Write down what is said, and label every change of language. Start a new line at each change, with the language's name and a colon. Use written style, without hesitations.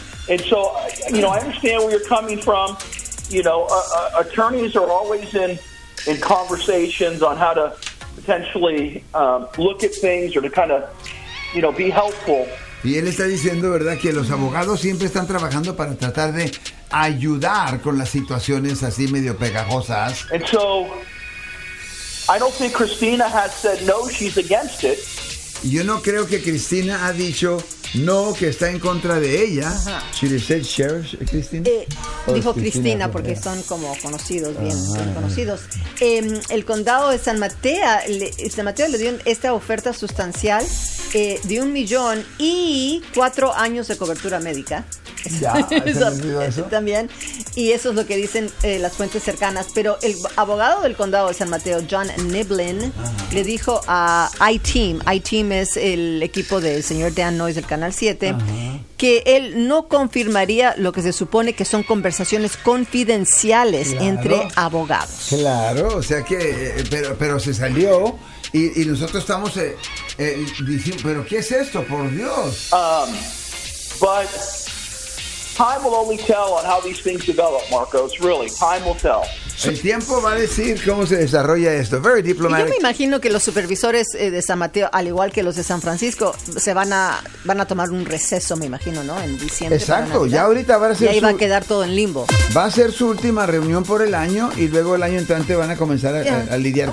English: And so, you know, I understand where you're coming from. You know, attorneys are always in conversations on how to potentially look at things or to kind of, you know, be helpful.
Spanish: Y él está diciendo, ¿verdad?, que los abogados siempre están trabajando para tratar de ayudar con las situaciones así medio pegajosas.
English: And so, I don't think Christina has said no, she's against it.
Spanish: Yo no creo que Cristina ha dicho no, que está en contra de ella. Uh-huh.
English: She said Sheriff, Cristina.
Spanish: Dijo Cristina porque son como conocidos, bien, uh-huh, bien conocidos. El condado de San Mateo le dio esta oferta sustancial de $1,000,000 y 4 años de cobertura médica. Ya, eso también. Y eso es lo que dicen las fuentes cercanas. Pero el abogado del condado de San Mateo, John Niblin, ajá, le dijo a iTeam es el equipo del señor Dan Noyes del Canal 7, ajá, que él no confirmaría lo que se supone que son conversaciones confidenciales, claro, entre abogados. Claro, o sea que, pero se salió. Y nosotros estamos diciendo, ¿pero qué es esto? Por Dios.
English: But time will only tell on how these things develop, Marcos. Really, time will tell.
Spanish: El tiempo va a decir cómo se desarrolla esto.
English: Very diplomatic.
Spanish: Y yo me imagino que los supervisores de San Mateo, al igual que los de San Francisco, se van a tomar un receso, me imagino, ¿no? En diciembre. Exacto, ya ahorita va a ser. Y ahí va a quedar todo en limbo. Va a ser su última reunión por el año y luego el año entrante van a comenzar a lidiar